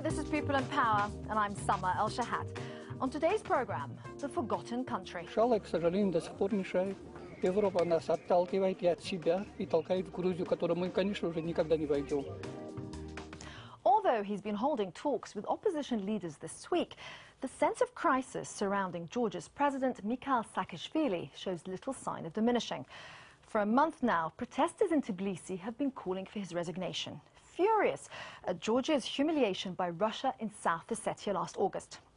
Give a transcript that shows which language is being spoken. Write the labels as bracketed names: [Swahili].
[English] People in Power, and I'm Summer El-Shahat. On today's program, the forgotten country. [Russian] Жалко, к сожалению, до сих пор мешает. Европа нас отталкивает и от себя, и толкает в Грузию, которую мы, конечно, уже никогда не войдем. [English] Although he's been holding talks with opposition leaders this week, the sense of crisis surrounding Georgia's president, Mikhail Saakashvili, shows little sign of diminishing. For a month now, protesters in Tbilisi have been calling for his resignation, furious at Georgia's humiliation by Russia in South Ossetia last August.